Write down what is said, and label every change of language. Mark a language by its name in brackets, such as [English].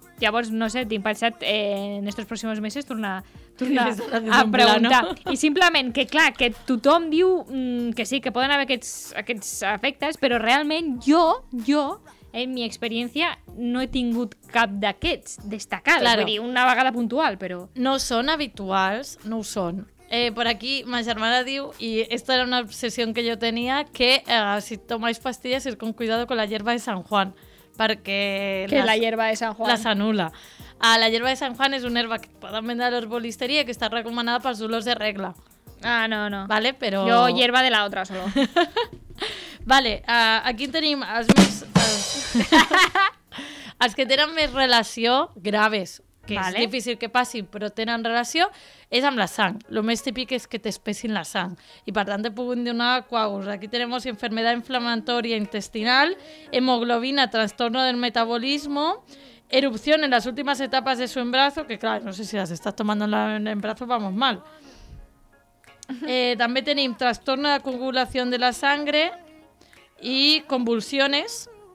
[Catalan] Llavors, no sé, tinc pensat en [Spanish] estos próximos meses [Catalan] tornar a preguntar. I simplement que, clar, que tothom diu que sí, que poden haver aquests efectes, però realment jo en mi experiència no he tingut cap d'aquests destacats. [Spanish] Claro. [Catalan] Vull dir, una vegada puntual, però... No són habituals, no ho són. [Spanish] Por aquí, [Catalan] ma germana diu, [Spanish] y esto era una obsesión que yo tenía, que si tomáis pastillas, ir con cuidado con la hierba de San Juan, porque... Que la hierba de San Juan. Las anula. La hierba de San Juan es una hierba que pueden vender a los bolisterías y que está recomendada para los dolores de regla. Ah, no, no. ¿Vale? Pero... Yo hierba de la otra solo. Vale, aquí tenemos los más... los que tienen más relación graves. Que vale. [Catalan] És difícil que passi, però tenen relació, és amb la sang. Lo més típic és que t'espessin la sang. I per tant, te puguin donar coagus. [Spanish] Aquí tenemos enfermedad inflamatoria intestinal, hemoglobina, trastorno del metabolismo, erupción en las últimas etapas de su embarazo, que clar, no sé si las estás tomando en el embarazo, vamos mal. [Catalan] També tenim [Spanish] trastorno de coagulación de la sangre i convulsiones.